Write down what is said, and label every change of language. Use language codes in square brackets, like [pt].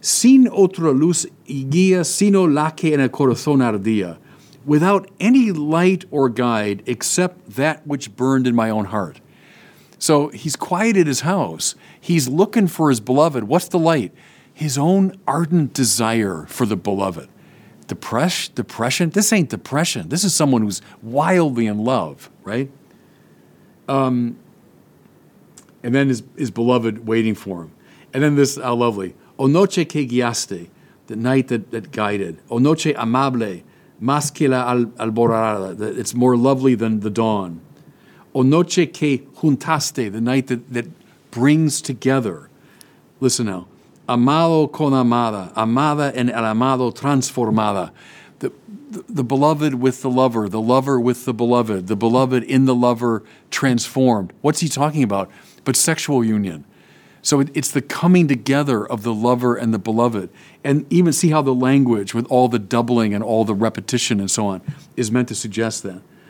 [es] Sin otra luz y guía, sino la que en el corazón ardía. [en] Without any light or guide except that which burned in my own heart. So he's quieted his house. He's looking for his beloved. What's the light? His own ardent desire for the beloved. Depression? This ain't depression. This is someone who's wildly in love, right? And then his beloved waiting for him. And then this, how lovely. [es] O noche que guiaste, [en] the night that guided. [es] O noche amable, más que la alborada, [en] it's more lovely than the dawn. [es] O noche que juntaste, [en] the night that brings together. Listen now. [es] Amado con amada, amada en el amado transformada. [en] the beloved with the lover with the beloved in the lover transformed. What's he talking about? But sexual union. So it's the coming together of the lover and the beloved. And even see how the language with all the doubling and all the repetition and so on is meant to suggest that.